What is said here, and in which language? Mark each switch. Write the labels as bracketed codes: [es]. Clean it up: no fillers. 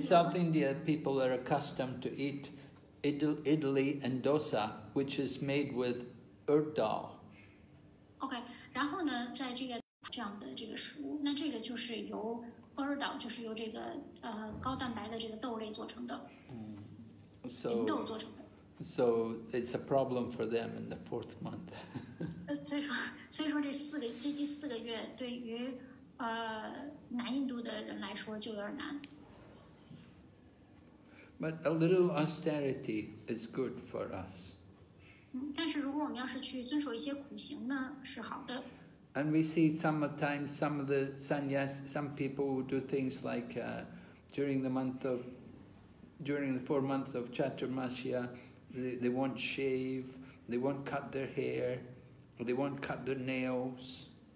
[en] South India, people are accustomed to eat idli and dosa, which is made with earth dal. [zh] Okay, 然后呢，在这个。这样的这个食物，那这个就是由波尔岛，就是由这个高蛋白的这个豆类做成的，芸豆做成的。 [en] So it's a problem for them in the fourth month. [zh] 所以说这第四个月对于南印度的人来说就有点难。 [en] But a little austerity is good for us. [zh] 但是如果我们要是去遵守一些苦行呢，是好的。 [en] And we see sometimes some of the sannyas, some people will do things like during the 4 months of Chaturmasya, they won't shave, they won't cut their hair, they won't cut their nails.